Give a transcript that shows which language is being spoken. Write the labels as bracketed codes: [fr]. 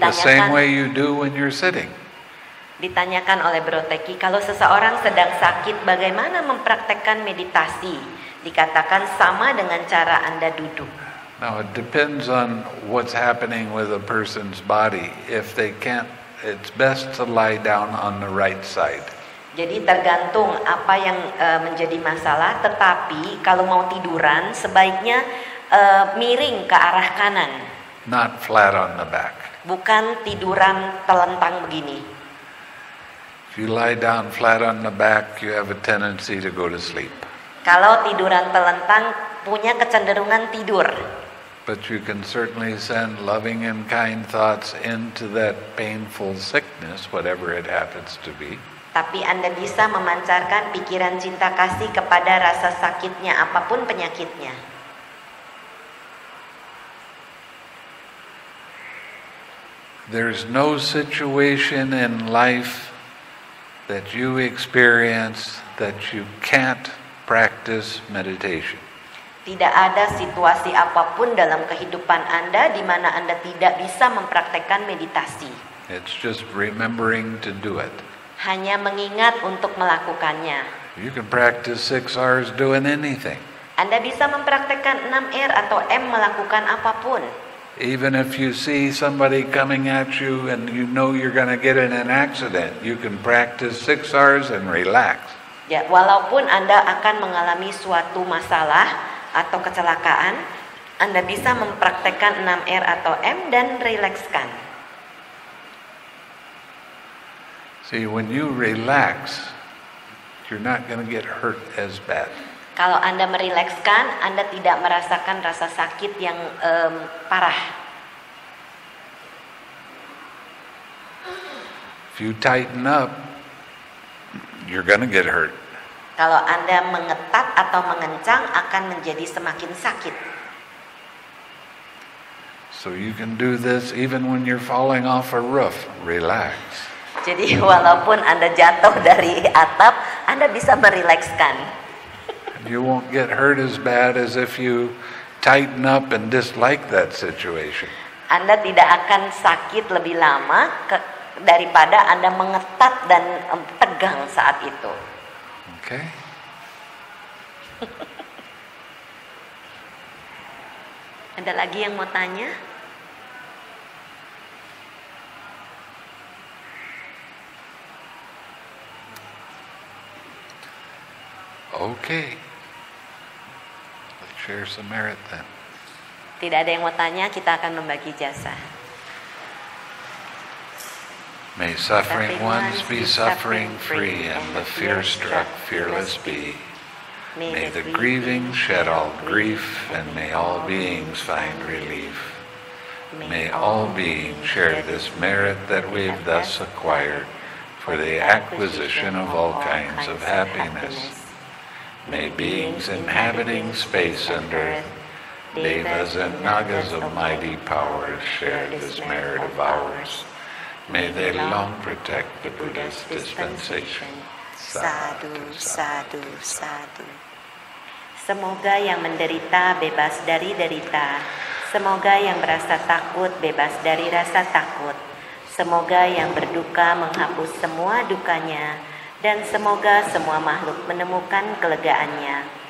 [en] The same way you do when you're sitting. [id] Ditanyakan oleh Bro Teki, kalau seseorang sedang sakit, bagaimana mempraktekkan meditasi? Dikatakan sama dengan cara Anda duduk. [en] Now it depends on what's happening with a person's body. If they can't, it's best to lie down on the right side. [id] Jadi tergantung apa yang menjadi masalah, tetapi kalau mau tiduran sebaiknya miring ke arah kanan. [en] Not flat on the back. [id] Bukan tiduran telentang begini. [en] If you lie down flat on the back, you have a tendency to go to sleep. [id] Kalau tiduran telentang punya kecenderungan tidur. [en] But you can certainly send loving and kind thoughts into that painful sickness, whatever it happens to be. [id] Tapi Anda bisa memancarkan pikiran cinta kasih kepada rasa sakitnya, apapun penyakitnya. [en] There's no situation in life that you experience that you can't practice meditation. [id] Tidak ada situasi apapun dalam kehidupan Anda di mana Anda tidak bisa mempraktikkan meditasi. [en] It's just remembering to do it. [id] Hanya mengingat untuk melakukannya. [en] You can practice 6 R's doing anything. [id] Anda bisa mempraktikkan 6 R atau M melakukan apapun. [en] Even if you see somebody coming at you and you know you're going to get in an accident, you can practice 6 R's and relax. [id] Ya, walaupun Anda akan mengalami suatu masalah atau kecelakaan, Anda bisa mempraktikkan 6 R atau M dan rilekskan. [en] See, when you relax, you're not going to get hurt as bad. [id] Kalau Anda merilekskan, Anda tidak merasakan rasa sakit yang parah. [en] If you tighten up, you're going to get hurt. [id] Kalau Anda mengetat atau mengencang, akan menjadi semakin sakit. [en] So you can do this even when you're falling off a roof. Relax. [id] Jadi walaupun Anda jatuh dari atap, Anda bisa merilekskan. [en] You won't get hurt as bad as if you tighten up and dislike that situation. [id] Anda tidak akan sakit lebih lama daripada Anda mengetat dan tegang saat itu. [en] Okay. [id] Ada lagi yang mau tanya? [en] Okay. Let's share some merit then. [id] Tidak ada yang mau tanya, kita akan membagi jasa. [en] May suffering ones be suffering free and the fear struck fearless be. May the grieving shed all grief and may all beings find relief. May all beings share this merit that we've thus acquired for the acquisition of all kinds of happiness. May beings inhabiting space and earth, devas and nagas of mighty power share this merit of ours. May they long protect the Buddha's dispensation. [pi] Sadhu, sadhu, sadhu. [id] Semoga yang menderita bebas dari derita. Semoga yang merasa takut bebas dari rasa takut. Semoga yang berduka menghapus semua dukanya. Dan semoga semua makhluk menemukan kelegaannya.